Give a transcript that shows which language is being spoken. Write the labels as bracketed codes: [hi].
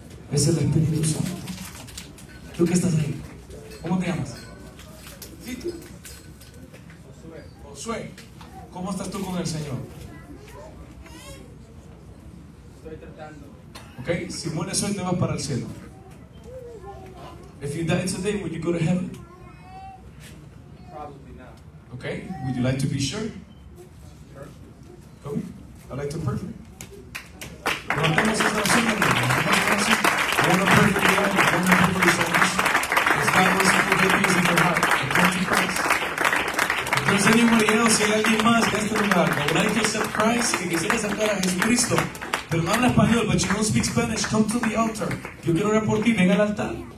[es] Es el Espíritu Santo. ¿Tú qué estás ahí? ¿Cómo te llamas? ¿Sí, tú? Josué. ¿Cómo estás tú con el Señor? Estoy tratando. Ok, si mueres hoy te vas para el cielo. [en] If you die today, would you go to heaven? Okay, would you like to be sure? Come, I'd like to perfect. [es] Levantemos esta oración, levantemos esta oración. [en] I want to pray for you, I want to pray for you, so much. It's God who's in your heart. There's anybody else, [es] hay alguien más en este lugar. [en] I would like to accept Christ, [es] que quisiera aceptar a Jesucristo. Pero no habla español, [en] but you don't speak Spanish. Come to the altar. [es] Yo quiero orar por ti, ven al altar.